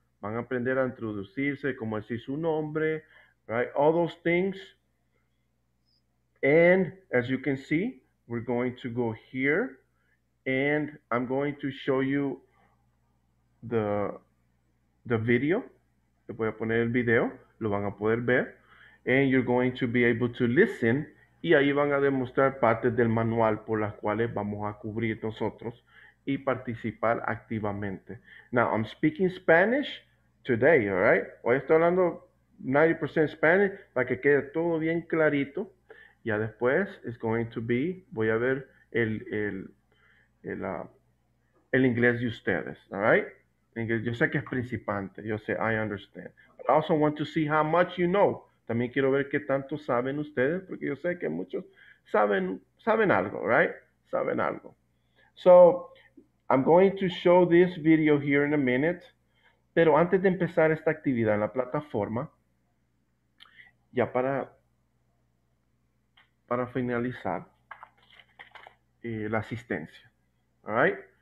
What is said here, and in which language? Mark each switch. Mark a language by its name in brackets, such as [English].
[Spanish] Van a aprender a introducirse, cómo decir su nombre, right? [English] All those things. And, as you can see, we're going to go here, and I'm going to show you the video. [Spanish] Le voy a poner el video, lo van a poder ver, [English] and you're going to be able to listen, [Spanish] y ahí van a demostrar partes del manual por las cuales vamos a cubrir nosotros y participar activamente. [English] Now, I'm speaking Spanish today, all right? [Spanish] Hoy estoy hablando 90% Spanish para que quede todo bien clarito. Ya después [English] is going to be, [Spanish] voy a ver el inglés de ustedes, all right? Yo sé que es principiante, yo sé, [English] I understand. But I also want to see how much you know. [Spanish] También quiero ver qué tanto saben ustedes, porque yo sé que muchos saben algo, right? Saben algo. [English] So, I'm going to show this video here in a minute, [Spanish] pero antes de empezar esta actividad en la plataforma, ya para finalizar la asistencia, all right?